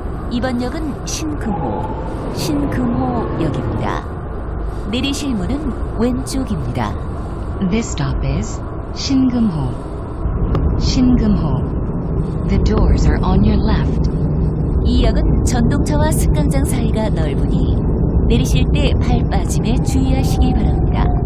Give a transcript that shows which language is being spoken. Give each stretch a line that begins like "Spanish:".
Korean: 이번 역은 신금호역입니다. 내리실 문은 왼쪽입니다.
English: This stop is 신금호. 신금호. The doors are on your left.
Korean: 이 역은 전동차와 승강장 사이가 넓으니 내리실 때 발 빠짐에 주의하시기 바랍니다.